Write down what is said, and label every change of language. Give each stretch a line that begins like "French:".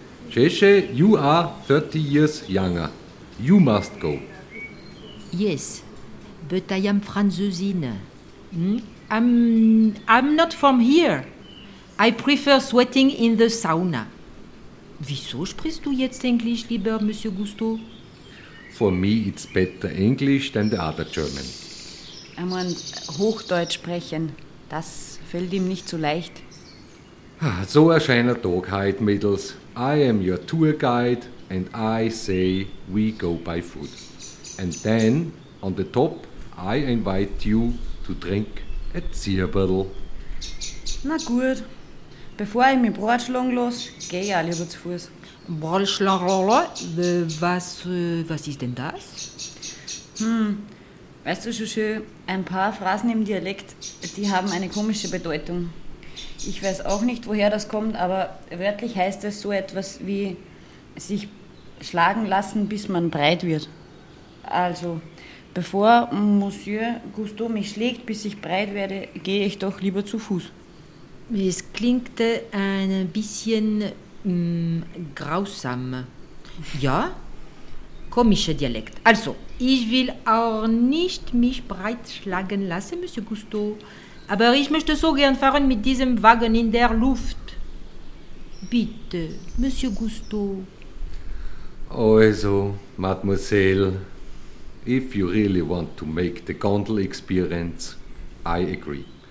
English: Zsézsé, you are 30 years younger. You must go. Yes, but I am Französine. I'm not from here. I prefer sweating in the sauna.
German: Wieso sprichst du jetzt Englisch, lieber Monsieur Gusteau?
English: For me it's better English than the other German.
German: Er meint Hochdeutsch sprechen, das fällt ihm nicht so leicht. So erscheint der Tag heute, Mädels.
English: I am your tour guide and I say we go by foot. And then, on the top, I invite you to drink a Zierbottle.
German: Na gut, bevor ich mich bratschlagen lasse, gehe ich auch lieber zu Fuß. Was ist denn das? Weißt du, Zsézsé, ein paar Phrasen im Dialekt, die haben eine komische Bedeutung. Ich weiß auch nicht, woher das kommt, aber wörtlich heißt es so etwas wie sich schlagen lassen, bis man breit wird. Also, bevor Monsieur Gusteau mich schlägt, bis ich breit werde, gehe ich doch lieber zu Fuß. Es klingt ein bisschen grausam. Ja, komischer Dialekt. Also, ich will auch nicht mich breit schlagen lassen, Monsieur Gusteau. Aber ich möchte so gern fahren mit diesem Wagen in der Luft. Bitte, Monsieur Gusteau.
English: Also, Mademoiselle, if you really want to make the gondel experience, I agree.